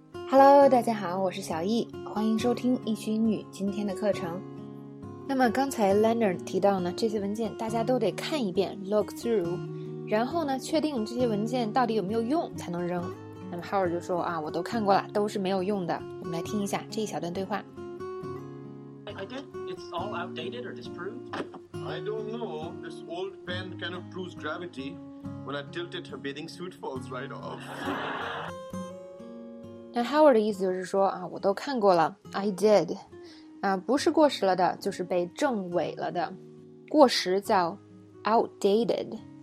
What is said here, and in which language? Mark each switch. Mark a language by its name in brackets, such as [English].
[English] Hello， [Chinese] 大家好，我是小易，欢迎收听易学英语今天的课程。那么刚才 Leonard 提到呢，这些文件大家都得看一遍 ，look through， 然后呢，确定这些文件到底有没有用才能扔。那么 Howard 就说啊，我都看过了，都是没有用的。我们来听一下这一小段对话。 [English] It's all outdated or disproved? I don't know. This old pen kind of proves gravity. When I tilt it, her bathing suit falls right off. [Chinese] 那 Howard 的意思就是说啊，我都看过了 ， [English] I did， [Chinese] 啊，不是过时了的，就是被证伪了的。过时叫 outdated。